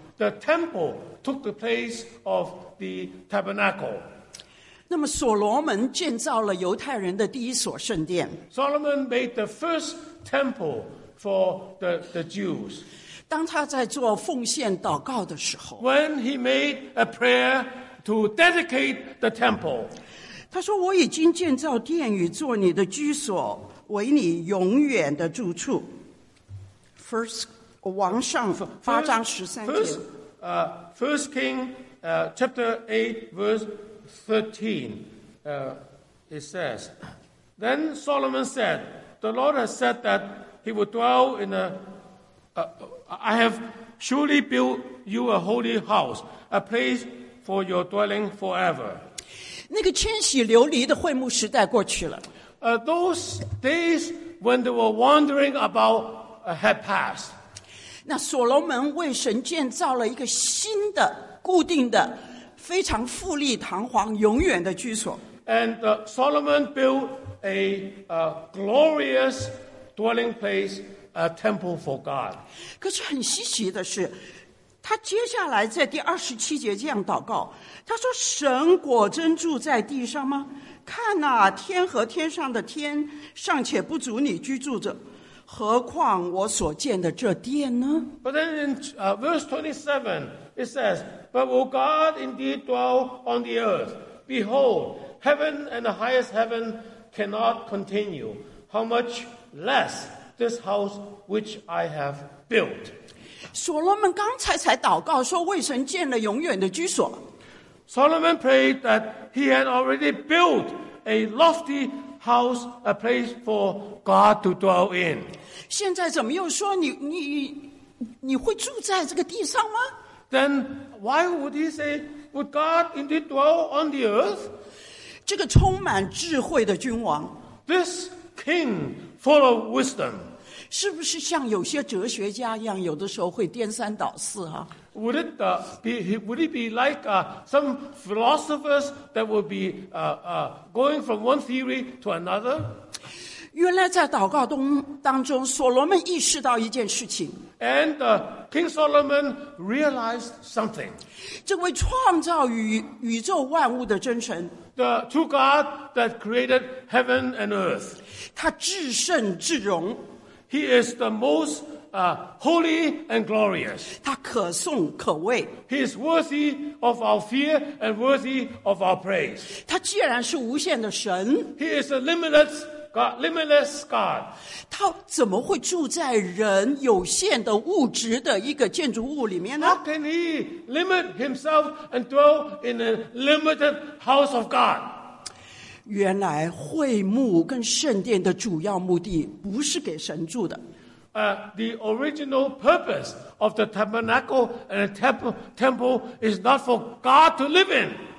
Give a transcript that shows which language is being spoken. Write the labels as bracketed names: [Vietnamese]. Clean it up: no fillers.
[English] The temple took the place of the tabernacle. [Chinese] 那么所罗门建造了犹太人的第一所圣殿。 [English] Solomon made the first temple for the Jews. [Chinese] 当他在做奉献祷告的时候 [English] ，When he made a prayer to dedicate the temple, [Chinese] 他说：“我已经建造殿宇，做你的居所，为你永远的住处。 ”First 王上八章十三节。 [English] First King chapter 8 verse 13, it says, Then Solomon said, The Lord has said that he would dwell in I have surely built you a holy house, a place for your dwelling forever. [Chinese] 那个迁徙流离的会幕时代过去了。 [English] Those days when they were wandering about had passed. [Chinese] 那所罗门为神建造了一个新的固定的非常富丽堂皇永远的居所 [English] and Solomon built a glorious dwelling place a temple for God [Chinese] 可是很稀奇的是他接下来在第二十七节这样祷告他说神果真住在地上吗看啊天和天上的天尚且不足你居住着何况我所建的这殿呢 [English] but then in verse 27 it says But will God indeed dwell on the earth? Behold, heaven and the highest heaven cannot continue. How much less this house which I have built? [Chinese] 所罗门刚才才祷告说为神建了永远的居所。 [English] Solomon prayed that he had already built a lofty house, a place for God to dwell in. [Chinese] 现在怎么又说你会住在这个地上吗？ [English] Then why would he say, would God indeed dwell on the earth? [Chinese] 这个充满智慧的君王 [English] This king full of wisdom. [Chinese] 是不是像有些哲学家一样有的时候会颠三倒四啊 [English] Would it be like some philosophers that would be going from one theory to another? [Chinese] 原来在祷告中当中所罗门意识到一件事情 [English] And King Solomon realized something. [Chinese] 这位创造宇宙万物的真神 [English] The true God that created heaven and earth. [Chinese] 他至圣至荣 [English] He is the most holy and glorious. [Chinese] 他可颂可畏 [English] He is worthy of our fear and worthy of our praise. [Chinese] 他既然是无限的神 [English] He is a limitless God, limitless God. [Chinese] 他怎么会住在人有限的物质的一个建筑物里面呢 [English] How can he limit himself and dwell in a limited house of God? [Chinese] 原来会幕跟圣殿的主要目的不是给神住的。 [English] The original purpose of the tabernacle and the temple is not for God to live in.